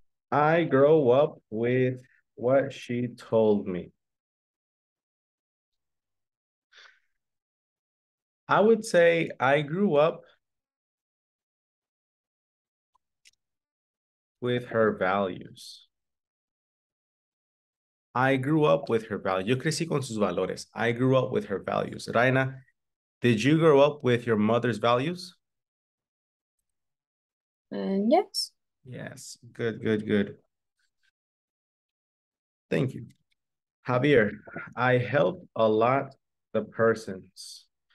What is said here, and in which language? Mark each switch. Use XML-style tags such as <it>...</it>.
<en>I grow up with what she told me. I would say I grew up with her values. I grew up with her values.</en> <es>Yo crecí con sus valores.</es> <en>I grew up with her values. Raina, did you grow up with your mother's values? Yes. Yes. Good, good, good. Thank you. Javier, I help a lot the persons.</en>